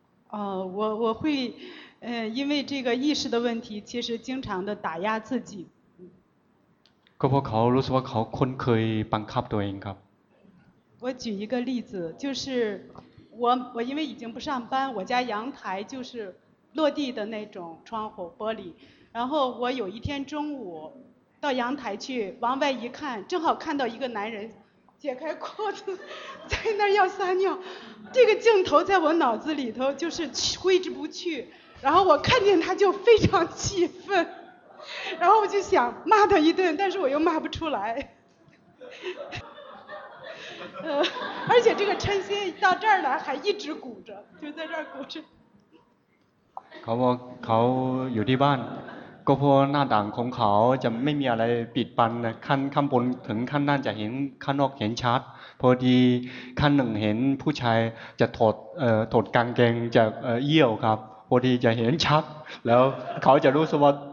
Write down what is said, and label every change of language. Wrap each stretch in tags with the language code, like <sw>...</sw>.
<zh>哦我会因为这个意识的问题其实经常的打压自己</zh> <th>ก็เพราะเขารู้สึกว่าเขาคุ้นเคยบังคับตัวเองครับ</th> <zh>我举一个例子就是我因为已经不上班我家阳台就是落地的那种窗户玻璃然后我有一天中午到阳台去往外一看正好看到一个男人解开裤子在那儿要撒尿这个镜头在我脑子里头就是挥之不去然后我看见他就非常气愤然后我就想骂他一顿但是我又骂不出来而且这个嗔心到这儿来还一直鼓着就在这儿鼓着</zh> <th>เขาอยู่ที่บ้านก็เพราะหน้าต่างของเขาจะไม่มีอะไรปิดบังนะขั้นข้างบนถึงขั้นนั้นจะเห็นข้างนอกเห็นชัดพอดีขั้นหนึ่งเห็นผู้ชายจะถอดกางเกงจะเยี่ยวครับพอดีจะเห็นชัดแล้วเขาจะรู้สึกว่า</th>